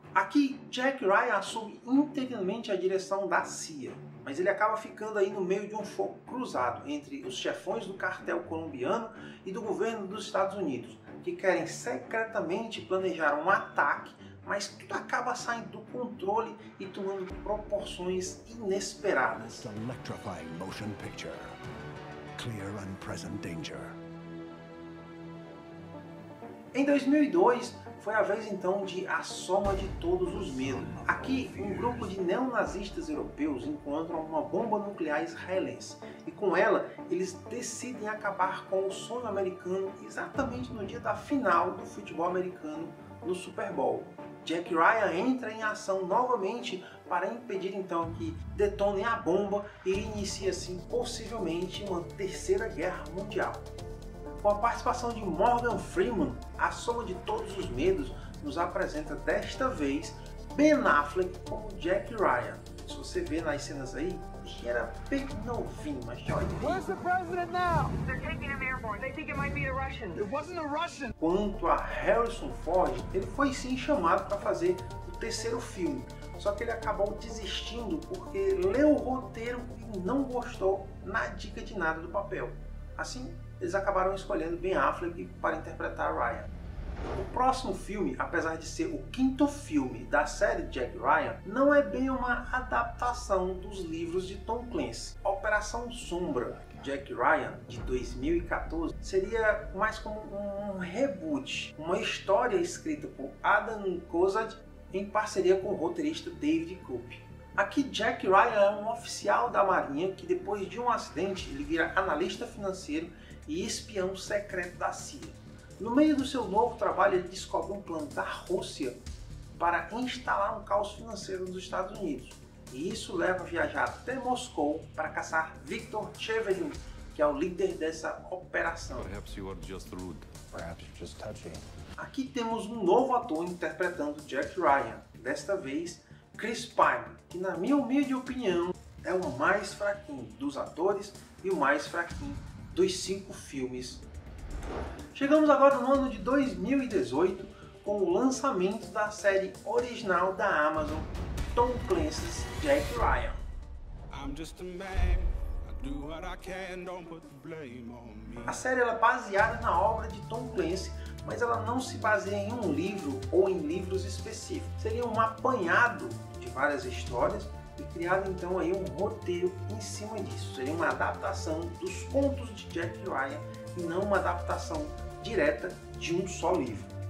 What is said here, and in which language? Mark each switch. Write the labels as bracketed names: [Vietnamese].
[Portuguese] Aqui Jack Ryan assume integralmente a direção da CIA, mas ele acaba ficando aí no meio de um fogo cruzado entre os chefões do cartel colombiano e do governo dos Estados Unidos, que querem secretamente planejar um ataque, mas tudo acaba saindo do controle e tomando proporções inesperadas. [English] Electrifying motion picture. Clear and present danger. [Portuguese] Em 2002, foi a vez então de A Soma de Todos os Medos. Aqui, um grupo de neonazistas europeus encontra uma bomba nuclear israelense. E com ela, eles decidem acabar com o sonho americano exatamente no dia da final do futebol americano no Super Bowl. Jack Ryan entra em ação novamente para impedir então que detonem a bomba e inicie assim possivelmente uma terceira guerra mundial. Com a participação de Morgan Freeman, A Soma de Todos os Medos nos apresenta desta vez Ben Affleck como Jack Ryan. Isso você vê nas cenas aí, ele era bem novinho, mas olha aí. [English] Where's the president now? They're taking him airborne. They think it might be the Russian. It wasn't the Russian. [Portuguese] Quanto a Harrison Ford, ele foi sim chamado para fazer o terceiro filme. Só que ele acabou desistindo porque leu o roteiro e não gostou na dica de nada do papel. Assim, eles acabaram escolhendo Ben Affleck para interpretar Ryan. O próximo filme, apesar de ser o quinto filme da série Jack Ryan, não é bem uma adaptação dos livros de Tom Clancy. A Operação Sombra, Jack Ryan, de 2014, seria mais como um reboot. Uma história escrita por Adam Kozad em parceria com o roteirista David Koop. Aqui Jack Ryan é um oficial da Marinha que, depois de um acidente, ele vira analista financeiro e espião secreto da CIA. No meio do seu novo trabalho, ele descobre um plano da Rússia para instalar um caos financeiro nos Estados Unidos. E isso leva a viajar até Moscou para caçar Viktor Chevelin, que é o líder dessa operação. [English] Perhaps you are just rude. Perhaps you're just touching. [Portuguese] Aqui temos um novo ator interpretando Jack Ryan, desta vez Chris Pine, que na minha humilde opinião é o mais fraquinho dos atores e o mais fraquinho dos cinco filmes. Chegamos agora no ano de 2018 com o lançamento da série original da Amazon, Tom Clancy's Jack Ryan. [English] I'm just a man. Do what I can, don't put the blame on me. [Portuguese] A série ela é baseada na obra de Tom Clancy, mas ela não se baseia em um livro ou em livros específicos. Seria um apanhado de várias histórias e criado então aí um roteiro em cima disso. Seria uma adaptação dos contos de Jack Ryan e não uma adaptação direta de um só livro.